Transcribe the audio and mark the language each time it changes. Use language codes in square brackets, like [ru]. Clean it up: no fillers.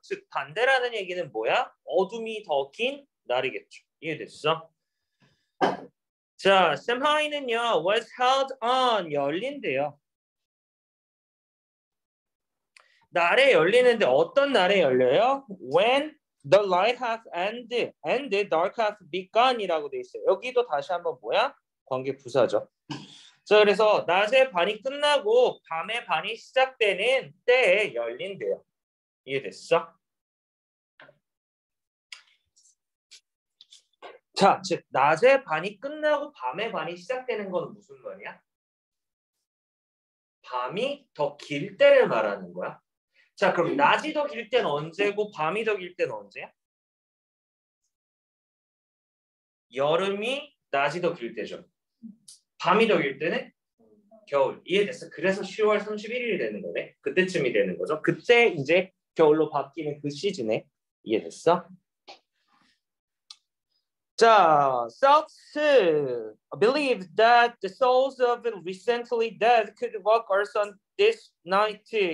[ko] 즉 반대라는 얘기는 뭐야? 어둠이 더 긴 날이겠죠. 이해됐어? 자, 샘하이는요. [en] was held on [ko] 열린대요. 날에 열리는데 어떤 날에 열려요? [en] When the light has ended and the dark has begun [ko] 이라고 돼 있어요. 여기도 다시 한번 뭐야? 관계 부사죠. 자, 그래서 낮의 반이 끝나고 밤의 반이 시작되는 때에 열린대요. 이해됐어? 자, 즉 낮의 반이 끝나고 밤의 반이 시작되는 건 무슨 말이야? 밤이 더 길 때를 말하는 거야. 자, 그럼 낮이 더 길 땐 언제고 밤이 더 길 땐 언제야? 여름이 낮이 더 길 때죠. 밤이 더 길 때는 겨울. 이해됐어? 그래서 10월 31일이 되는 거네. 그때쯤이 되는 거죠. 그때 이제 겨울로 바뀌는 그 시즌에. 이해됐어? [en] 자, Celts believe that the souls of the recently dead could walk earth on this night.